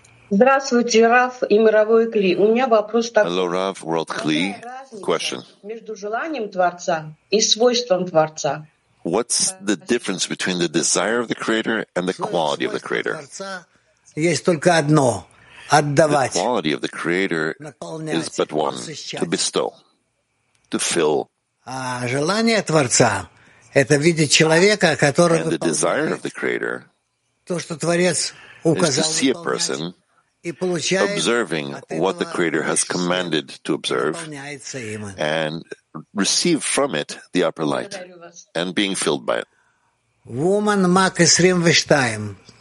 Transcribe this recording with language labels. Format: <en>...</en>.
<ru>Здравствуйте, Рав и мировой Кли. У меня вопрос такой.</ru> <en>Hello, Rav, World Kli. Question.</en> <ru>Между желанием Творца и свойством Творца.</ru> <en>What's the difference between the desire of the Creator and the quality of the Creator?</en> <ru>Есть только одно. Отдавать.</ru> <en>The quality of the Creator is but one. To bestow. To fill.</en> <ru>А желание Творца — это видеть человека, который.</ru> <en>And the desire of the Creator.</en> <ru>То, что Творец указал.</ru> <en>Is to see a person. Observing what the Creator has commanded to observe and receive from it the upper light and being filled by it. Woman Mach 22.</en>